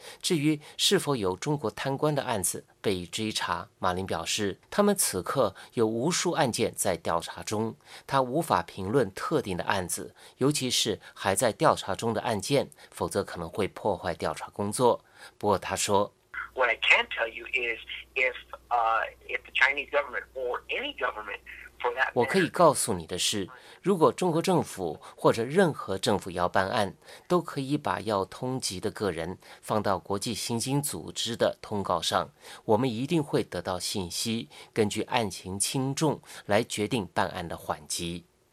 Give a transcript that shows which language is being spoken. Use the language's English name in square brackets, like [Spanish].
[Chinese] 至于是否有中国贪官的案子被追查，马林表示，他们此刻有无数案件在调查中，他无法评论特定的案子，尤其是还在调查中的案件，否则可能会破坏调查工作。不过他说， [English] What I can tell you is if the Chinese government or any government, [Chinese] 我可以告诉你的是，如果中国政府或者任何政府要办案，都可以把要通缉的个人放到国际刑警组织的通告上，我们一定会得到信息，根据案情轻重来决定办案的缓急。